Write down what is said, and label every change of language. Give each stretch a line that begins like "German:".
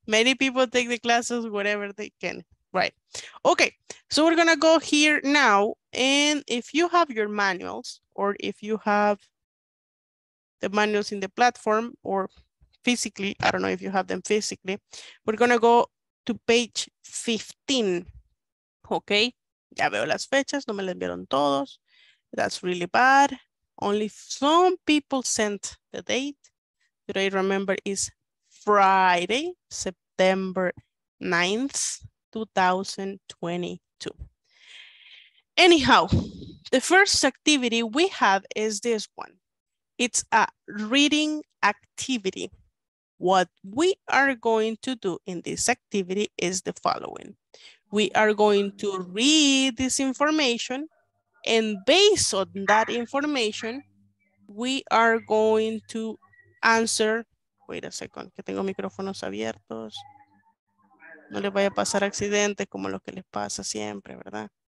English: Many people take the classes wherever they can. Right. Okay, so we're going to go here now. And if you have your manuals, or if you have the manuals in the platform or physically, I don't know if you have them physically, we're going to go to page 15. Okay.
Spanish: Ya veo las fechas, no me las enviaron todos.
English: That's really bad. Only some people sent the date. Today, remember, is Friday, September 9th, 2022. Anyhow, the first activity we have is this one. It's a reading activity. What we are going to do in this activity is the following. We are going to read this information, and based on that information, we are going to answer. Wait a second,
Spanish: que tengo micrófonos abiertos. No les vaya a pasar accidente como lo que les pasa siempre, ¿verdad?